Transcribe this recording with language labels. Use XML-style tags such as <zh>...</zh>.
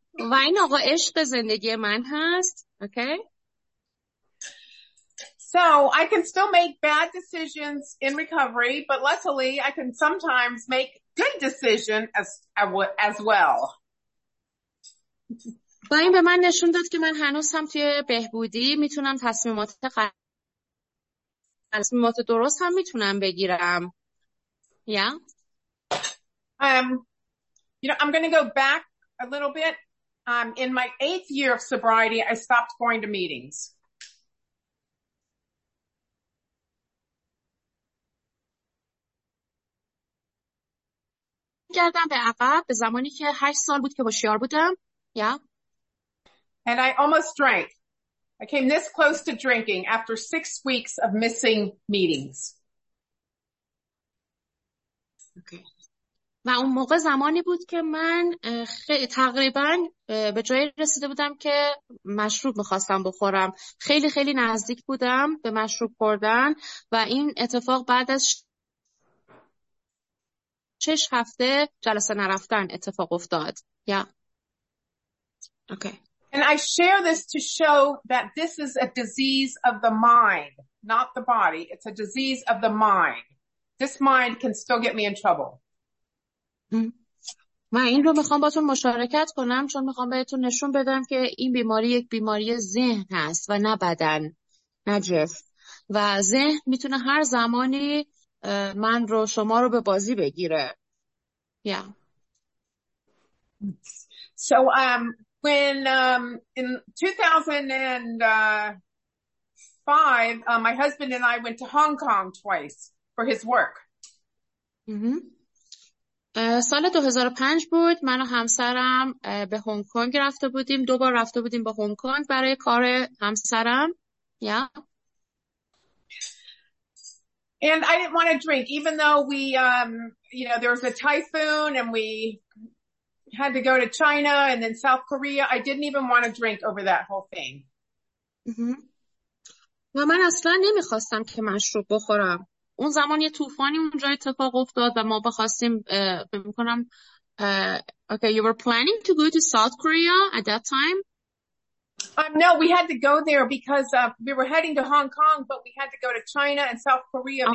<fa>و این آقا عشق زندگی من هست.</fa> <en>Okay. So I can still make bad decisions in recovery, but luckily I can sometimes make good decisions as well.</en> <fa>و این به من نشون داد که من هنوز هم توی بهبودی میتونم تصمیمات درست هم میتونم بگیرم.</fa> <en>Yeah. You know, I'm going to go back a little bit. In my eighth year of sobriety, I stopped going to meetings.</en> <fa>گردم به عقب به زمانی که 8 سال بود که هوشیار بودم.</fa> <en>Yeah. And I almost drank. I came this close to drinking after 6 weeks of missing meetings.</en> <fa>و اون موقع زمانی بود که من تقریبا به جایی رسیده بودم که مشروب میخواستم بخورم. خیلی خیلی نزدیک بودم به مشروب خوردن و این اتفاق بعد از 6 هفته جلسه نرفتن اتفاق افتاد.</fa> <en>Yeah. Okay. And I share this to show that this is a disease of the mind, not the body. It's a disease of the mind. This mind can still get me in trouble.</en> <fa>من این رو میخوام باتون مشارکت کنم چون میخوام بهتون نشون بدم که این بیماری یک بیماری ذهن هست و نه بدن، نه جسم. و ذهن میتونه هر زمانی من رو شما رو به بازی بگیره.</fa> <en>Yeah. So when in 2005 my husband and I went to Hong Kong twice for his work.</en> <fa>سال 2005 بود، من و همسرم به هنگ کنگ رفته بودیم، دو بار رفته بودیم به هنگ کنگ برای کار همسرم.</fa> <en>Yeah. And I didn't want to drink, even though we, you know, there was a typhoon and we had to go to China and then South Korea. I didn't even want to drink over that whole thing.</en> <fa>و من اصلا نمیخواستم که مشروب بخورم. اون زمان یه طوفانی اونجا اتفاق افتاد و ما بخواستیم بمیکنم.</fa> <en>Okay, you were planning to go to South Korea at that time? No, we had to go there because we were heading to Hong Kong, but we had to go to China and South Korea okay.</en>